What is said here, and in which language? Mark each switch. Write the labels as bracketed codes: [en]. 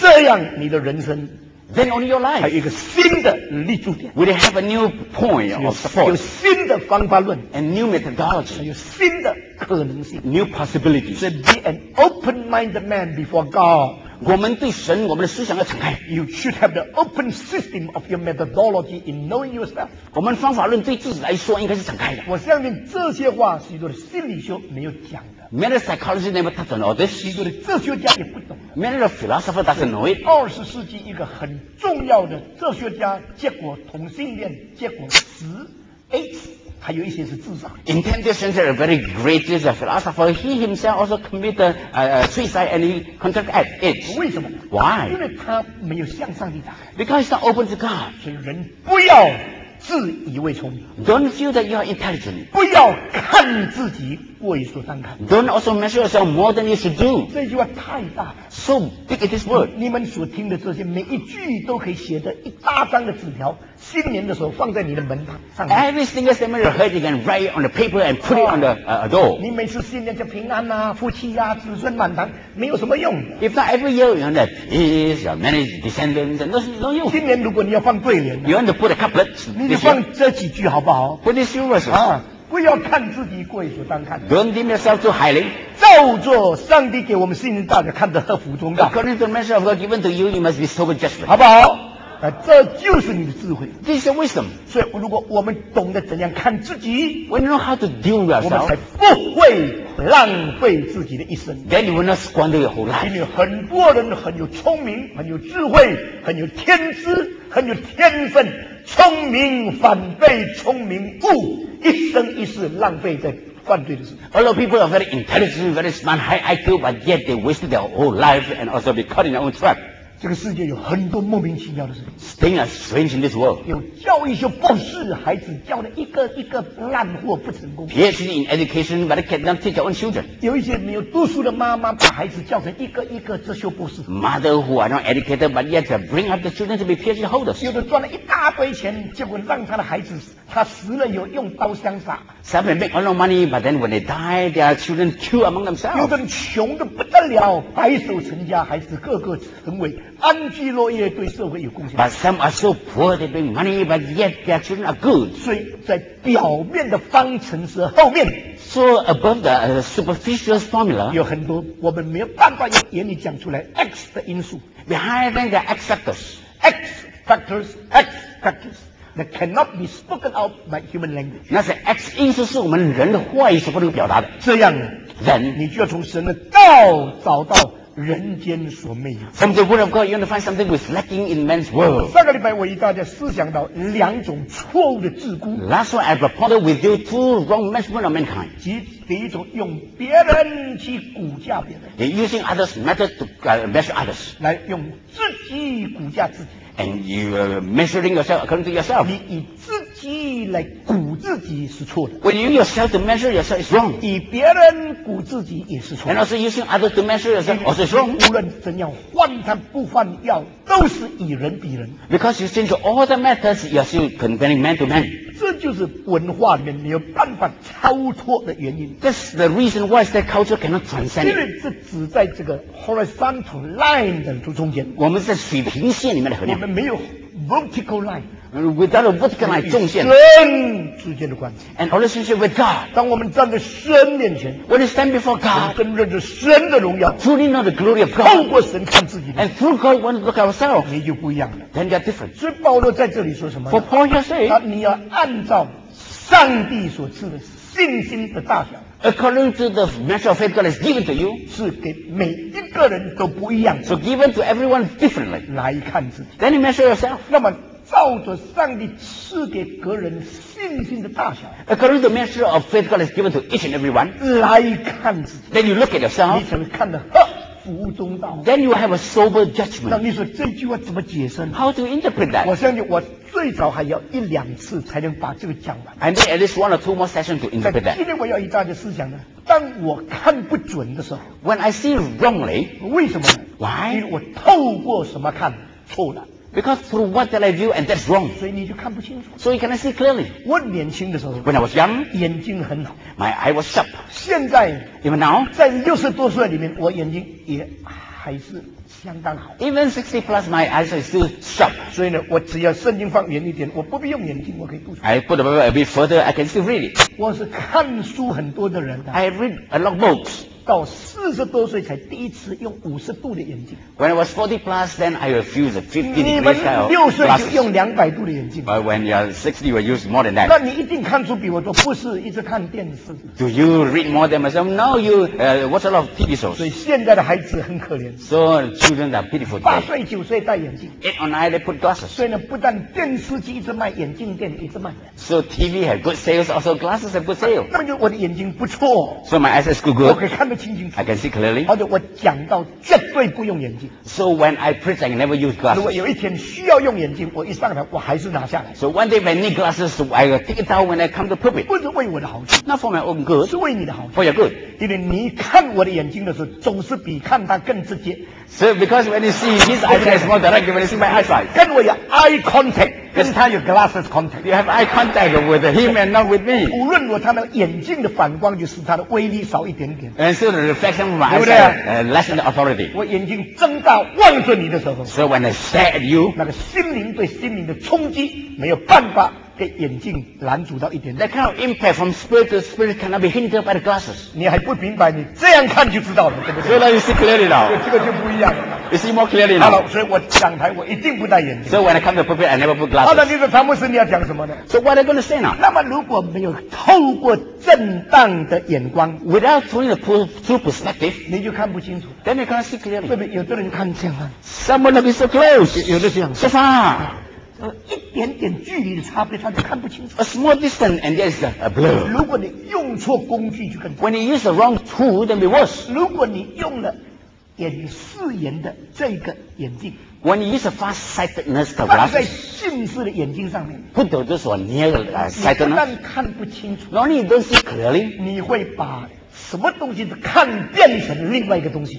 [zh] 这样你的人生。 [en] Then only your life. [zh] 还有一个新的立足点。 [en] Will have a new point of support. [zh] 有新的方法论。 [en] And new methodology. [zh] 还有新的可能性。 [en] New possibilities. So be an open-minded man before God. [zh] 我们对神我们的思想要敞开。 [en] You should have the open system of your methodology in knowing yourself. [zh] 我们方法论对自己来说应该是敞开的。我相信这些话许多的心理学没有讲的。 [en] Many psychologists never touch on all this. [zh] 许多的哲学家也不懂。 [en] Many philosophers doesn't know it. [zh] 二十世纪一个很重要的哲学家，结果同性恋，结果十 eight。还有一些是自杀。 [en] In 20th century, a very great philosopher, he himself also committed suicide and he contracted AIDS. [zh] 为什么？ [en] Why? [zh] 因为他没有向上帝打开。 [en] Because he's not open to God. [zh] 所以人不要自以为聪明。 [en] Don't feel that you are intelligent. [zh] 不要看自己过于所当看。 [en] Don't also measure yourself more than you should do. [zh] 这句话太大。 [en] So big is this word. [zh] 你们所听的这些每一句都可以写得一大张的纸条。新年的时候放在你的门上。 [en] Every single statement you heard, you can write on the paper and put it on the door. [zh] 你每次新年就平安啊，夫妻啊，子孙满堂，没有什么用。 [en] If not every year you want to please your many descendants, and those don't you? [zh] 今年如果你要放对联， [en] you want to put a couplet. [zh] 你就放这几句好不好？ [en] Put these few verses. [zh] 不要看自己过于所当看。 [en] Don't deem yourself too highly. [zh] 照做上帝给我们信心大的，看得合乎中道。 [en] According to the measure of God given to you, you must be sober justly. [zh] 好不好？这就是你的智慧。 [en] This is wisdom. [zh] 所以如果我们懂得怎样看自己， [en] When you know how to deal with yourself, [zh] 我们才不会浪费自己的一生。 [en] Then you will not squander your whole life. [zh] 因为很多人很有聪明，很有智慧，很有天资，很有天分，聪明反被聪明误，一生一世浪费在犯罪的事。 [en] A lot of people are very intelligent, very smart, high IQ, but yet they wasted their whole life and also be caught in their own trap. [zh] 这个世界有很多莫名其妙的事。 [en] Things are strange in this world. [zh] 有教育学博士孩子教的一个一个烂货不成功。 [en] PhD in education, but they cannot teach their own children. [zh] 有一些没有读书的妈妈把孩子教成一个一个哲学博士。 [en] Mother who are not educated, but yet bring up the children to be PhD holders. [zh] 有的赚了一大堆钱，结果让他的孩子他死了有用刀相杀。 [en] Some make a lot of money, but then when they die, their children kill among themselves. [zh] 有的人穷得不得了，白手成家，孩子个个成为。安居乐业对社会有贡献。 [en] But some are so poor they bring money, but yet their children are good. [zh] 所以在表面的方程式后面。 [en] So above the superficial formula. [zh] 有很多我们没有办法用言语讲出来 X 的因素。 [en] Behind them there are X factors. X factors, X factors that cannot be spoken out by human language. [zh] 那些 X 因素是我们人的话语所不能表达的。这样呢 [en] ，Then [zh] 你就要从神的道找到。人间所没有。 [en] From the word of God, you want to find something which is lacking in man's world. [zh] 上个礼拜我与大家思想到两种错误的桎梏。 [en] Last one, I reported with you two wrong measurements of mankind. [zh] 即第一种用别人去估价别人。 [en] You're using others' method to measure others. [zh] 来用自己估价自己。 [en] And you are measuring yourself according to yourself. [zh] 你以自己来估自己是错的。 [en] When you yourself to measure yourself is wrong. [zh] 以别人估自己也是错的。 [en] And also using others to measure yourself also is wrong. [zh] 无论怎样换汤不换药，都是以人比人。 [en] Because you change all the methods, you are still comparing man to man. [zh] 这就是文化里面没有办法超脱的原因。 [en] That's the reason why that culture cannot transcend. [zh] 因为是指在这个 [en] horizontal line [zh] 的中间。我们在水平线里面的衡量。我们没有 [en] vertical line。 Without a vertical line, [zh] 纵线。神之间的关系。 [en] And relationship with God. [zh] 当我们站在神面前。 [en] When you stand before God. [zh] 真正的神的荣耀。 [en] Truly know the glory of God. [zh] 透过神看自己的。 [en] And through God, want to look ourselves. [zh] 你就不一样了。 [en] Then you're different. [zh] 所以保罗在这里说什么 [en] ？For Paul here says, [zh] 你要按照上帝所赐的信心的大小。 [en] According to the measure of faith God has given to you, [zh] 是给每一个人都不一样的。 [en] So given to everyone differently. [zh] 来看自己。 [en] Then you measure yourself. [zh] 那么。照着上帝赐给个人信心的大小 [en] ，according to the measure of faith God has given to each and every one， [zh] 来看自己 [en] ，then you look at yourself， [zh] 你才会看得合乎中道 [en] ，then you have a sober judgment。 [zh] 那你说这句话怎么解释 [en] ？How to interpret that？ [zh] 我相信我最早还要一两次才能把这个讲完。 [en] I need at least one or two more sessions to interpret that。 [zh] 今天我要以大家思想呢，当我看不准的时候 [en] ，when I see wrongly， [zh] 为什么 [en] ？Why？ [zh] 因为我透过什么看错了。 [en] Because through what that I view, and that's wrong. [zh] 所以你就看不清楚。 [en] So you cannot see clearly. [zh] 我年轻的时候 [en] ，When I was young, [zh] 眼睛很好。 [en] My eye was sharp. [zh] 现在 [en] ，Even now, [zh] 在六十多岁里面，我眼睛也还是相当好。 [en] Even 60 plus, my eyes are still sharp. [zh] 所以呢，我只要圣经放远一点，我不必用眼睛，我可以读。 [en] I put the Bible a bit further, I can still read it. [zh] 我是看书很多的人、 [en] 啊。I read a lot of books. [zh] 到四十多岁才第一次用五十度的眼镜。 [en] When I was 40 plus, then I refused 50 degrees. [zh] 你们六岁就用两百度的眼镜。 [en] But when you're 60, you use more than that. [zh] 那你一定看出比我多，不是一直看电视。 [en] Do you read more than myself? No, you watch a lot of TV shows. [zh] 所以现在的孩子很可怜。 [en] So children are pitiful. [zh] 八岁九岁戴眼镜。 [en] Eight or nine, they put glasses. [zh] 所以呢，不但电视机一直卖，眼镜店一直卖。 [en] So TV have good sales, also glasses have good sales. [zh] 那么就我的眼睛不错。 [en] So my eyes is good. [zh] 我可以看得清清楚。 [en] I can see clearly. [zh] 而且我讲到绝对不用眼镜。 [en] So when I preach, I never use glasses. [zh] 如果有一天需要用眼镜，我一上台，我还是拿下来。 [en] So one day when I need glasses, I will take it out when I come to pulpit. [zh] 不是为我的好处。 [en] Not for my own good. [zh] 是为你的好处。 [en] For your good. [zh] 因为你看我的眼睛的时候，总是比看他更直接。 [en] So because when you see his eyes, more direct than when you see my eyesight. [zh] 跟我有 [en] eye contact. This time your glasses contact. You have eye contact with him and not with me. [zh] 无论我他的眼镜的反光，就使他的威力少一点点。 [en] And so the reflection of my eyes, less than the authority. [zh] 我眼睛睁大望着你的时候 [en] ，So when I stare at you, [zh] 那个心灵对心灵的冲击没有办法给眼镜拦阻到一点点。 [en] That kind of impact from spirit to spirit cannot be hindered by the glasses. [zh] 你还不明白，你这样看就知道了，对不对 [en] ？So now you see clearly now. [zh] 这个就不一样了。 [en] You see more clearly now. [zh] 好了，所以我讲台我一定不戴眼镜。 [en] So when I come to pulpit, I never put glasses. [zh] 好了，你说唐牧师你要讲什么呢 [en] ？So what are you going to say now? [zh] 那么如果没有透过正当的眼光 [en] ，without through the true perspective, [zh] 你就看不清楚。 [en] Then you can't see clearly. [zh] 对不对？有的人看这样了。 [en] Someone that is so close. [zh] 有的这样。 [en] So far. [zh] 一点点距离的差别，他就看不清楚。 [en] A small distance and there is a blur. [zh] 如果你用错工具，就更。 [en] When you use the wrong tool, then be worse. [zh] 如果你用了眼视眼的这个眼镜 [en] ，When you use a far sightedness of glasses, [zh] 放在近视的眼镜上面 [en] ，Put those on near sightedness, [zh] 你不但看不清楚 [en] ，Not only don't see clearly, [zh] 你会把什么东西都看变成另外一个东西。